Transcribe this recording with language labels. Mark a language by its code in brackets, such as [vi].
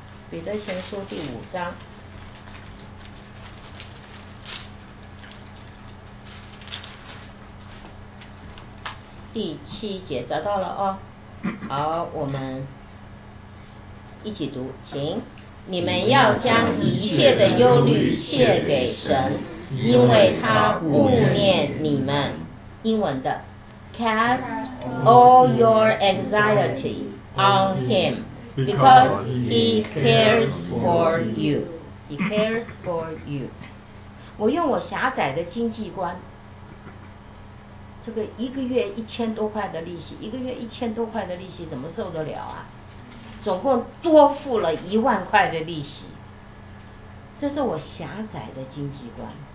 [zh] 彼得前书第五章7节，找到了哦。好，我们一起读，请。你们要将一切的忧虑卸给神，因为他顾念你们。英文的 [en] Cast all your anxiety on him. Because he cares for you. He cares for you. [zh] 我用我狭窄的经济观，这个一个月1000多块的利息怎么受得了啊？总共多付了10000块的利息，这是我狭窄的经济观。